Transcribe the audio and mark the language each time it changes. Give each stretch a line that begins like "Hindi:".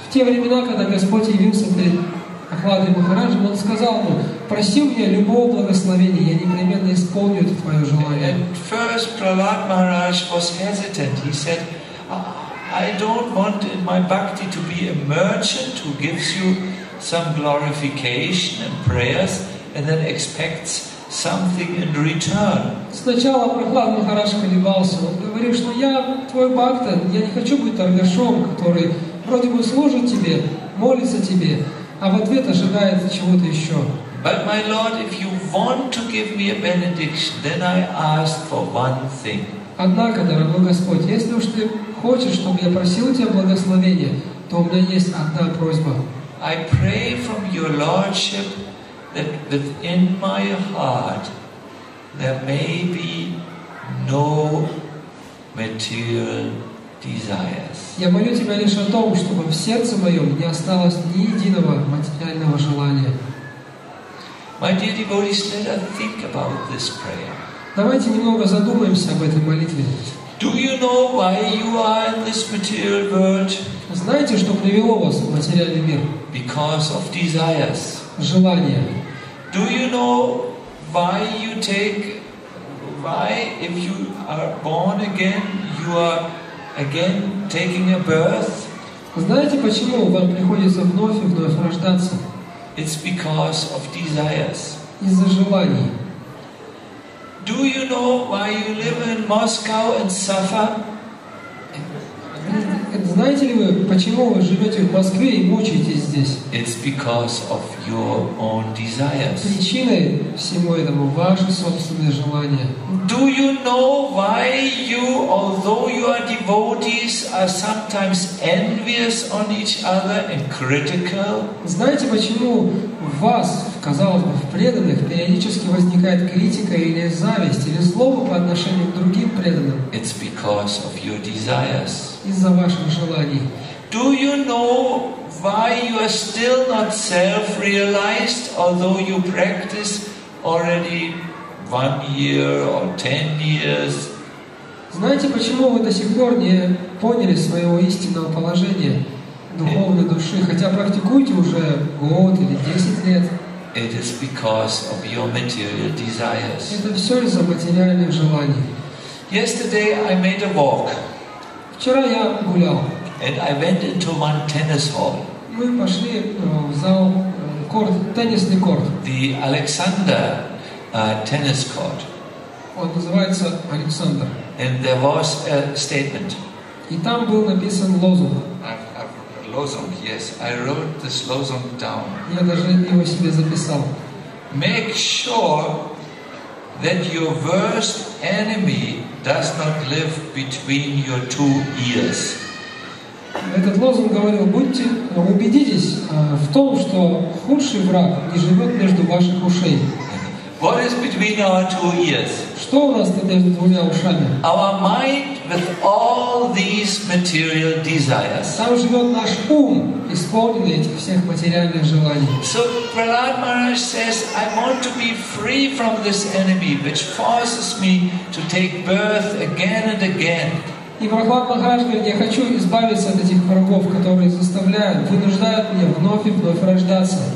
Russian: В те времена, когда Господь явился перед Ахладой Махараджем, Он сказал ему, «Проси у меня любого благословения, я непременно исполню это твое желание».
English: At first Prahlad Maharaj was hesitant. He said, "I don't want in my bhakti to be a merchant who gives you some glorification and prayers and then expects something in return."
Russian: Сначала Прохлад Махарадж колебался. Он говорил, что я твой бхакта, я не хочу быть торгашом, который вроде бы служит тебе, молится тебе, а в ответ ожидает чего-то еще.
English: But my Lord, if you want to give me a benediction, then I ask for one thing.
Russian: Однако, дорогой Господь, если уж ты хочешь, чтобы я просил у тебя благословения, то у меня есть одна просьба.
English: I pray from your Lordship that within my heart there may be no material desires.
Russian: Я молю тебя лишь о том, чтобы в сердце моем не осталось ни единого материального желания.
English: My dear devotees, let us think about this prayer.
Russian: Давайте немного задумаемся об этой молитве.
English: Do you know why you are in this material world?
Russian: Знаете, что привело вас в материальный мир?
English: Because of desires.
Russian: Желания.
English: Do you know why you take, why if you are born again, you are again taking a birth?
Russian: Знаете, почему вам приходится вновь и вновь рождаться?
English: It's because of desires.
Russian: Из-за желаний.
English: Do you know why you live in Moscow and suffer?
Russian: Знаете ли вы, почему вы живете в Москве и мучаетесь здесь?
English: It's because of your own desires.
Russian: Причиной всему этому ваши собственные желания.
English: Do you know why you, although your devotees are sometimes envious on each other and critical?
Russian: Знаете, почему у вас, казалось бы, в преданных периодически возникает критика или зависть, или злоба по отношению к другим преданным?
English: It's because of your desires.
Russian: Из-за ваших желаний.
English: Do you know why you are still not self-realized, although you practice already 1 year or 10 years?
Russian: Знаете, почему вы до сих пор не поняли своего истинного положения духовной души, хотя практикуете уже год или 10 лет?
English: It is because of your material desires.
Russian: Это все из-за материальных желаний.
English: Yesterday I made a walk.
Russian: Вчера я гулял.
English: And I went into one tennis hall.
Russian: Мы пошли в зал, корт, теннисный корт.
English: The Alexander tennis court.
Russian: Он называется Александр.
English: And there was a statement.
Russian: И там был написан лозунг.
English: Lozong, yes, I wrote this lozong down.
Russian: Я даже его себе записал.
English: Make sure that your worst enemy does not live between your two ears.
Russian: Этот лозунг говорил: будьте, убедитесь в том, что худший враг не живет между ваших ушей.
English: What is between our two ears?
Russian: Что у нас между двумя ушами?
English: Our mind with all these material desires.
Russian: Там живет наш ум, исполненный этих всех материальных желаний.
English: So Prahlad Maharaj says, I want to be free from this enemy, which forces me to take birth again and again.
Russian: И Прохлад Махарадж говорит, я хочу избавиться от этих врагов, которые заставляют, вынуждают меня вновь и вновь рождаться.